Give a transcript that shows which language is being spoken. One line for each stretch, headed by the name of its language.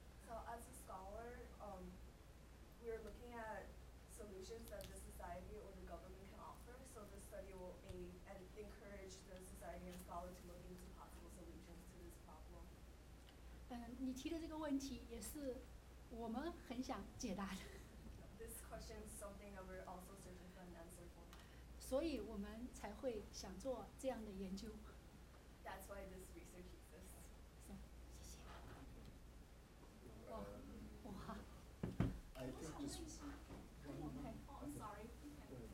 English: So as a scholar, we are looking at solutions that the society or the government can offer. So this study will aim and encourage the society and scholar to look into possible solutions to this problem.
Chinese: 你提的这个问题也是我们很想解答的。
English: This question is something that we're also searching for an answer for.
Chinese: 所以我们才会想做这样的研究。
English: That's why this research exists.
Chinese: 是，谢谢。哇，哇。
English: Oh, sorry.